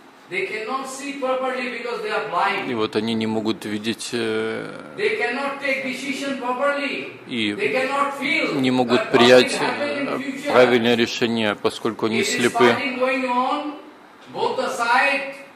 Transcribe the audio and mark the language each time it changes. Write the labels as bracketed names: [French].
[English] They cannot see properly because they are blind. [Russian] И вот они не могут видеть. [English] They cannot take decision properly. [Russian] И [English] they cannot feel. [Russian] Не могут принять правильное решение, поскольку они слепы. [English] It is fighting going on both the side.